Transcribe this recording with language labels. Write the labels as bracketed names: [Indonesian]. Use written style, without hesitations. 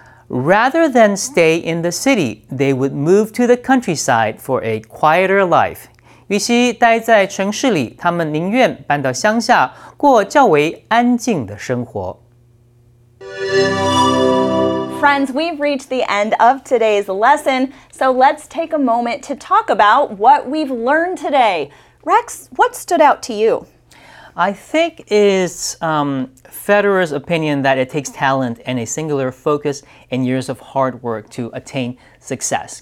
[English] Rather than stay in the city, they would move to the countryside for a quieter life. [Chinese] 与其待在城市里，他们宁愿搬到乡下，过较为安静的生活。 [English] Friends, we've reached the end of today's lesson, so let's take a moment to talk about what we've learned today. Rex, what stood out to you? I think it's... Federer's opinion that it takes talent and a singular focus and years of hard work to attain success.